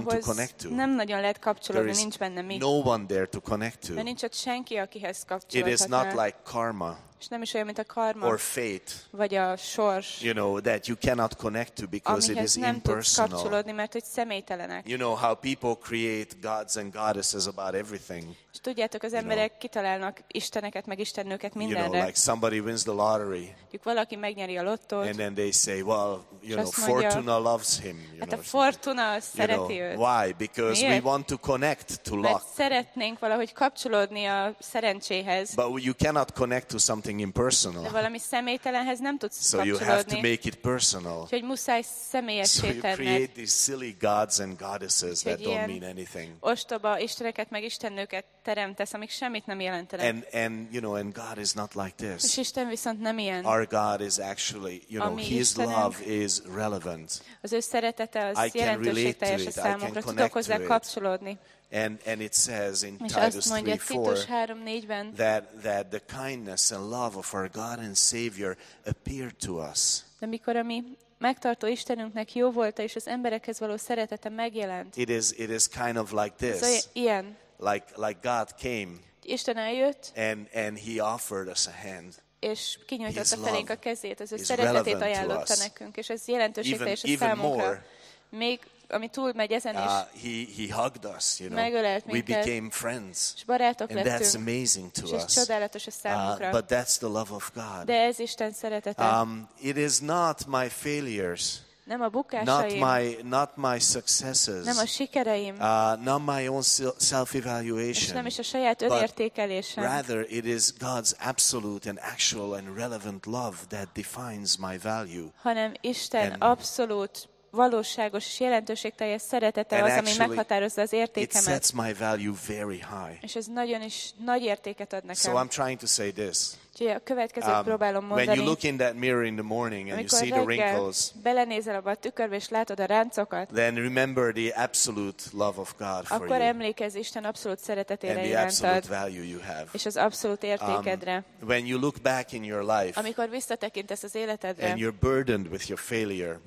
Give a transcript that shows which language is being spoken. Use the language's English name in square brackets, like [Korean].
[Hungarian] ahhoz [English] to connect to. [Hungarian] Nem nagyon lehet kapcsolódni, nincs benne mi. [English] No one there to connect to. [Hungarian] De nincs ott senki, akihez kapcsolódhatnál. [English] It is not like karma. [Hungarian] És nem is olyan, mint a karma. [English] Or fate. [Hungarian] Vagy a sors. [English] You know, that you cannot connect to because it is impersonal. [Hungarian] Amihez nem tudsz kapcsolódni, mert hogy személytelenek. [English] You know how people create gods and goddesses about everything. [Hungarian] És tudjátok, az emberek kitalálnak isteneket, meg istennőket mindenre. [English] You know, like somebody wins the lottery. [Hungarian] Valaki megnyeri a lottót. [English] And then they say, well, you know, fortuna loves him. You [Hungarian] hát a fortuna szereti [English] you [Hungarian] őt. [English] Know, why? Because [Hungarian] miért? [English] We want to connect to luck. [Hungarian] Mert szeretnénk valahogy kapcsolódni a szerencséhez. [English] But you cannot connect to something impersonal. [Hungarian] De valami személytelenhez nem tudsz [English] so [Hungarian] kapcsolódni. [English] So you have to make it personal. [Hungarian] Úgyhogy muszáj személyessé [English] so [Hungarian] tenned. [English] So you create these silly gods and goddesses that don't mean anything. [Hungarian] Ostoba isteneket, meg istennőket teremtesz, amik semmit nem jelentenek. [English] And you know, and God is not like this. [Hungarian] És Isten viszont nem ilyen. [English] Our God is actually, you know, His [Hungarian] Istenem, [English] love is relevant. [Hungarian] Az ő szeretete az jelentőségteljes a számunkra. Tudok hozzá kapcsolódni. [English] And it says in Titus 3:4 that the kindness and love of our God and Savior appeared to us. [Hungarian] De mikor a mi megtartó Istenünknek jó volta és az emberekhez való szeretete megjelent. [English] It is kind of like this. [Hungarian] Ilyen. [English] Like God came. [Hungarian] Isten eljött. [English] And he offered us a hand. [Hungarian] És kinyújtotta felénk a kezét, az ő szeretetét ajánlotta nekünk, és ez jelentőségteljes a számunkra. [English] More, [Hungarian] még ami túl megy ezen is. [English] He hugged us, you know. [Hungarian] Megölelt minket. [English] We became friends. [Hungarian] És barátok [English] and [Hungarian] lettünk. [English] That's amazing to [Hungarian] és [English] us. [Hungarian] És csodálatos a számunkra. [English] But that's the love of God. [Hungarian] De ez Isten szeretete. [English] It is not my failures. [Hungarian] Nem a bukásaim. [English] Not my successes. [Hungarian] Nem a sikereim. [English] Not my own self-evaluation. [Hungarian] És nem is a saját önértékelésem. [English] Rather it is God's absolute and actual and relevant love that defines my value. [Hungarian] Hanem Isten and abszolút valóságos és jelentőségteljes szeretete az, ami meghatározza az értékemet. [English] It sets my value very high. [Hungarian] És ez nagyon is nagy értéket ad nekem. [English] So I'm trying to say this. [Hungarian] Úgyhogy a következőt próbálom mondani. [English] When you look in that mirror in the morning and you see the wrinkles, [Hungarian] belenézel abba a tükörbe és látod a ráncokat, [English] then remember the absolute love of God for [Hungarian] akkor emlékezz Isten abszolút szeretetére [English] and the absolute value you have. [Hungarian] És az abszolút értékedre. [English] When you look back in your life, [Hungarian] amikor visszatekintesz az életedre, [English] and you're burdened with your failure,